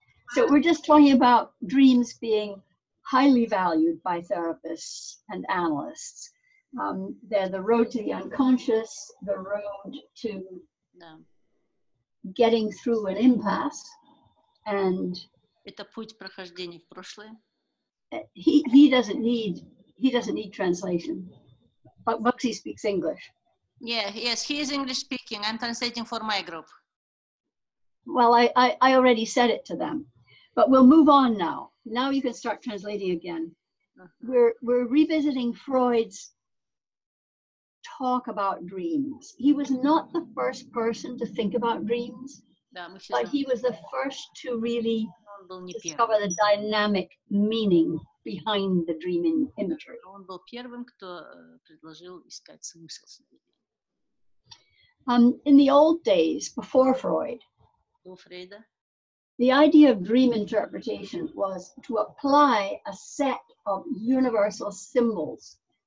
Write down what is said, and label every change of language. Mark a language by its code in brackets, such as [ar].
[en] So we're just talking about dreams being highly valued by therapists and analysts. They're the road to the unconscious, the road to getting through an impasse. And [ru] это путь прохождения в прошлое. [en] He doesn't need translation. But Bugsy speaks English. Yeah, yes, he is English speaking. I'm translating for my group. Well, I already said it to them. But we'll move on now. Now you can start translating again. We're revisiting Freud's talk about dreams. He was not the first person to think about dreams. But he was the first to really discover the dynamic meaning behind the dreaming imagery. [ru] Он был первым, кто предложил искать смысл. [en] In the old days, before Freud, [ru] до Фрейда, [en] the idea of dream interpretation was to apply a set of universal symbols.